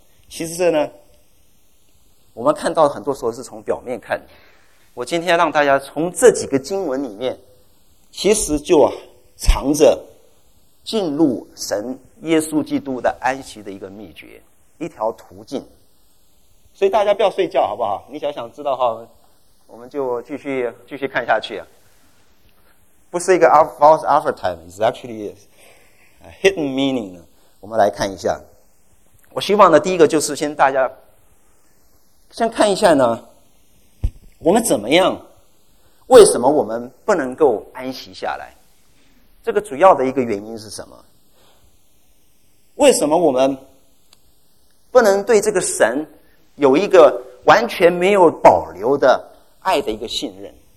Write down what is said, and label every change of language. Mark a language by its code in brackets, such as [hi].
[zh] 其实这呢，我们看到很多时候是从表面看的，我今天让大家从这几个经文里面，其实就藏着进入神耶稣基督的安息的一个秘诀，一条途径。所以大家不要睡觉好不好？你只要想知道的话，我们就继续看下去。不是一个 [en] false advertisement, it's actually a hidden meaning. [zh] 我们来看一下。我希望呢，第一个就是先大家先看一下呢，我们怎么样，为什么我们不能够安息下来？这个主要的一个原因是什么？为什么我们不能对这个神有一个完全没有保留的爱的一个信任？